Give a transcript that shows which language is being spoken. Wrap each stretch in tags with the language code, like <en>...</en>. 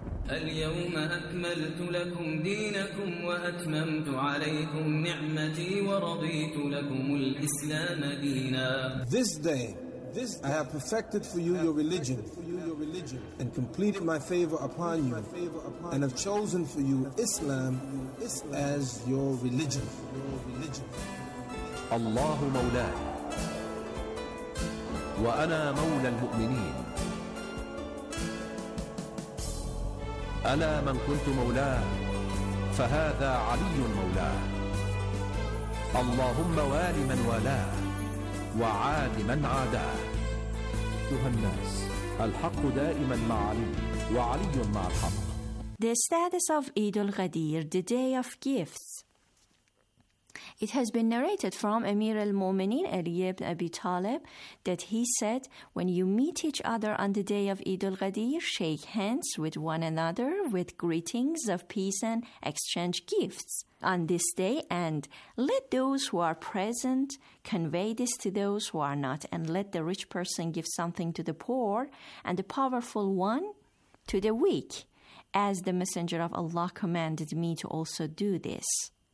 <ar>اليوم أكملت لكم دينكم وأتممت عليكم نعمتي ورضيت لكم الإسلام دينا.</ar> <en>This day, I have perfected for you your religion and completed my favor upon you and have chosen for you Islam as your religion.</en> <ar>الله مولاي وأنا مولى المؤمنين ألا من كنت مولاه فهذا علي مولاه اللهم وال من والاه وعاد من عاداه أيها الناس الحق دائما مع علي وعلي مع الحق.</ar> <en>The status of Eid al-Ghadir, the day of gifts. It has been narrated from Amir al-Mu'minin Ali ibn Abi Talib that he said, when you meet each other on the day of Eid al-Ghadir, shake hands with one another with greetings of peace and exchange gifts on this day, and let those who are present convey this to those who are not, and let the rich person give something to the poor and the powerful one to the weak, as the Messenger of Allah commanded me to also do this.</en>